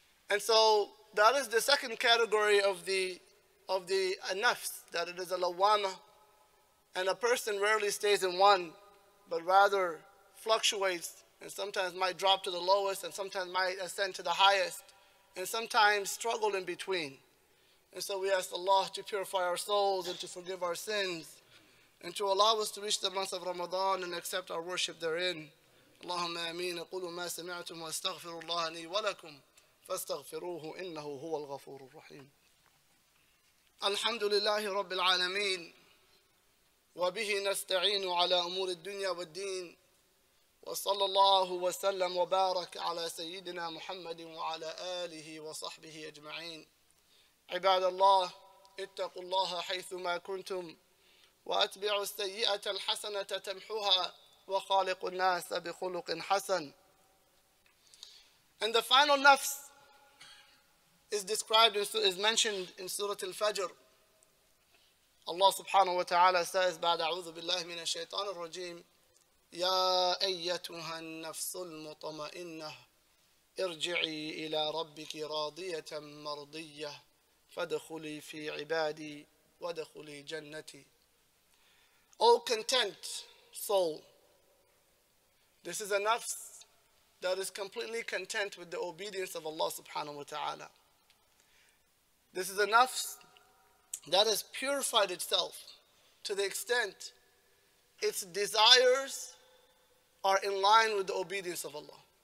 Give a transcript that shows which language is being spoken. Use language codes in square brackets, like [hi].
[en] And so that is the second category of the nafs, that it is a lawwama, and a person rarely stays in one, but rather fluctuates, and sometimes might drop to the lowest, and sometimes might ascend to the highest, and sometimes struggle in between. And so we ask Allah to purify our souls and to forgive our sins, and to allow us to reach the month of Ramadan and accept our worship therein. [ar] اللهم آمين أقول ما سمعتم وأستغفر الله لي ولكم فاستغفروه إنه هو الغفور الرحيم الحمد لله رب العالمين وبه نستعين على أمور الدنيا والدين وصلى الله وسلم وبارك على سيدنا محمد وعلى آله وصحبه أجمعين عباد الله اتقوا الله حيثما كنتم وأتبعوا السيئة الحسنة تمحوها وخالق الناس بخلق حسن. [en] And the final nafs is mentioned in Surah Al-Fajr. Allah subhanahu wa ta'ala says, [ar] بعد أعوذ بالله من الشيطان الرجيم يا أيتها النفس المطمئنة ارجعي إلى ربك راضية مرضية فادخلي في عبادي وادخلي جنتي. [en] All content soul. This is a nafs that is completely content with the obedience of Allah subhanahu wa ta'ala. This is a nafs that has purified itself to the extent its desires are in line with the obedience of Allah.